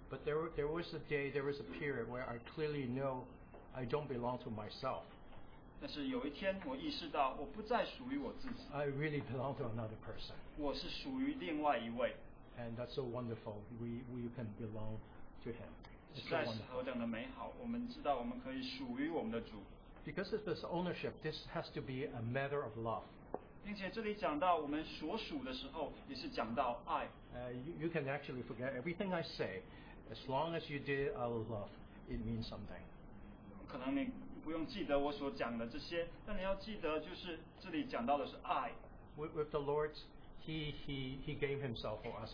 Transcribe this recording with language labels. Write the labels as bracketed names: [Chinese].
[English] But there was a day, there was a period where I clearly knew I don't belong to myself. [Chinese] 但是有一天我意识到我不再属于我自己。 [English] I really belong to another person. [Chinese] 我是属于另外一位。 [English] And that's so wonderful. We can belong to him. [Chinese] 实在是何等的美好，我们知道我们可以属于我们的主。 [English] Because of this ownership, this has to be a matter of love. [Chinese] 并且这里讲到我们所属的时候，也是讲到爱。 [English] You can actually forget everything I say. As long as you did out of love, it means something. [Chinese] 可能你 不用记得我所讲的这些，但你要记得，就是这里讲到的是爱。 [English] With the Lord, He gave Himself for us.